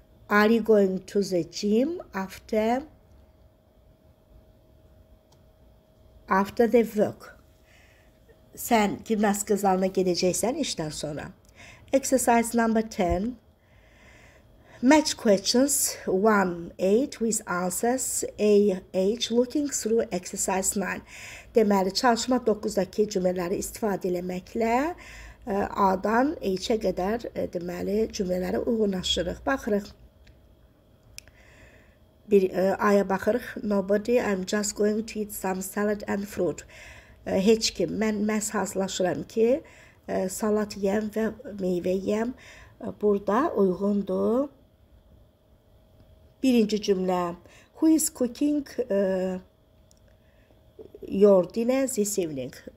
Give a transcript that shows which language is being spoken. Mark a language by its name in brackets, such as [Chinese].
[English] Are you going to the gym after the work? [Azerbaijani] Sən gimnastik zalına gedəcəksən işdən sonra. [English] Exercise number 10. Match questions 1-8 with answers A-H looking through exercise 9. [Azerbaijani] Deməli, çalışma 9-dakı cümlələri istifadə eləməklə A-dan H-ə qədər deməli, cümlələri uyğunlaşdırırıq. Baxırıq. Bir aya baxırıq. [English] Nobody, I'm just going to eat some salad and fruit. [Azerbaijani] Heç kim. Mən məhz hazırlaşıram ki, salat yiyəm və meyvə yiyəm. Burada uyğundur. Birinci cümlə. [English] Who is cooking your dinner this evening?